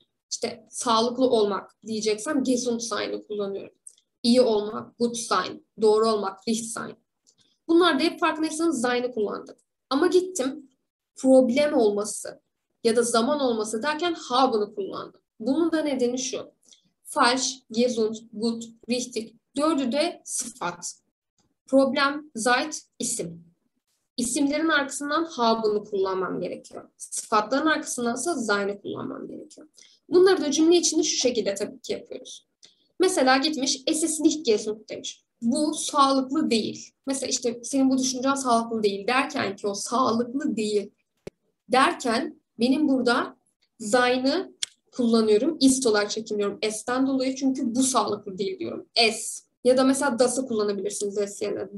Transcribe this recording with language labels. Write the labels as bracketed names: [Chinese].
[Turkish] İşte sağlıklı olmak diyeceksem gesund sein'ı kullanıyorum. İyi olmak, good sein, doğru olmak, richtig sein. Bunlar da hep farkındaysanız sein'ı kullandım. Ama gittim problem olması ya da zaman olması derken haben'ı kullandım. Bunun da nedeni şu. [German] Falsch, gesund, gut, richtig. [Turkish] Dördü de sıfat. Problem, Zeit, isim. İsimlerin arkasından haben'ı kullanmam gerekiyor. Sıfatların arkasından ise sein'ı kullanmam gerekiyor. Bunları da cümle içinde şu şekilde tabii ki yapıyoruz. Mesela gitmiş, [German] es ist nicht gesund [Turkish] demiş. Bu sağlıklı değil. Mesela işte senin bu düşüncen sağlıklı değil derken ki o sağlıklı değil derken benim burada sein'ı kullanıyorum. Ist olarak çekimliyorum. Es'ten dolayı çünkü bu sağlıklı değil diyorum. Es. Ya da mesela das'ı kullanabilirsiniz es yerine.